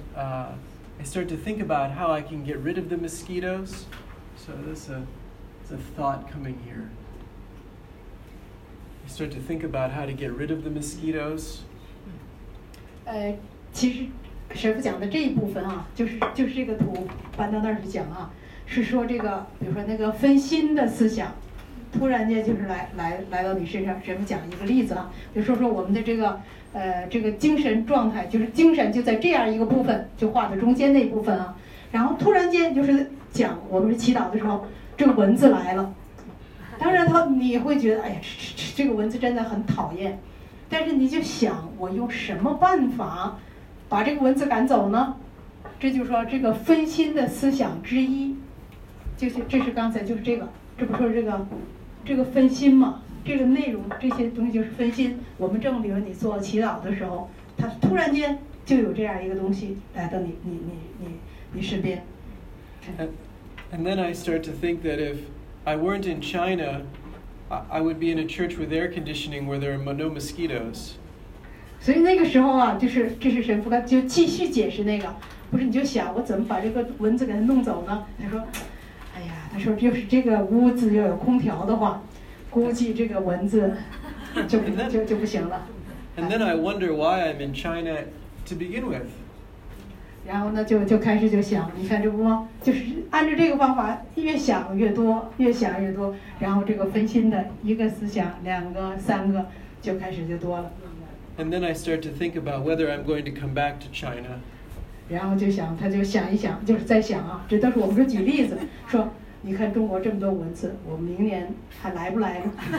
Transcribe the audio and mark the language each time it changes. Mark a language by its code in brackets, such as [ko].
[en] I start to think about how I can get rid of the mosquitoes. So that's a thought coming here. I start to think about how to get rid of the mosquitoes. [zh] 其实神父讲的这一部分啊，就是这个图搬到那儿去讲啊，是说这个，比如说那个分心的思想，突然间就是来到你身上。神父讲一个例子啊，就说我们的这个。这个精神状态就是精神就在这样一个部分，就画的中间那一部分啊，然后突然间就是讲我们祈祷的时候，这个蚊子来了，当然他你会觉得哎呀这个蚊子真的很讨厌，但是你就想我用什么办法把这个蚊子赶走呢，这就是说这个分心的思想之一，就是这是刚才就是这个，这不说这个分心吗，这个内容这些东西就是分心，我们正比如你做祈祷的时候，他突然间就有这样一个东西来到你身边。 [en] And then I start to think that if I weren't in China, I would be in a church with air conditioning where there are no mosquitoes. [zh] 所以那个时候啊，就是这是神父刚就继续解释那个，不是你就想我怎么把这个蚊子给它弄走呢，他说就是这个屋子要有空调的话，估计这个蚊子就不行了。 [en] And then I wonder why I'm in China to begin with. [zh] 然后呢就开始就想，你看这不就是按照这个方法，越想越多，越想越多，然后这个分心的一个思想，两个三个就开始就多了。 [en] And then I start to think about whether I'm going to come back to China. [zh] 然后就想，他就想一想，就是在想啊，这都是我们说举例子说。你看中国这么多蚊子，我明年还来不来吗？